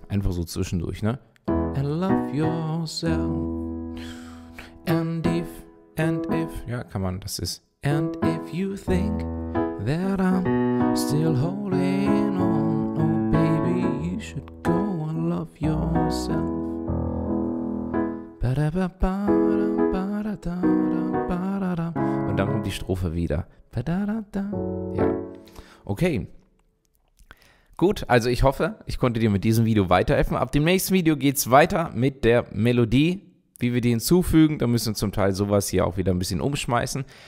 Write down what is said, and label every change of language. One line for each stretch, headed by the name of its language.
German: Einfach so zwischendurch, ne?
English: And love yourself. And if,
German: ja, kann man, das ist.
English: And if you think that I'm still holding on, oh baby, you should go and love yourself.
German: Und dann kommt die Strophe wieder. Ja. Okay. Gut, also ich hoffe, ich konnte dir mit diesem Video weiterhelfen. Ab dem nächsten Video geht's weiter mit der Melodie, wie wir die hinzufügen. Da müssen wir zum Teil sowas hier auch wieder ein bisschen umschmeißen.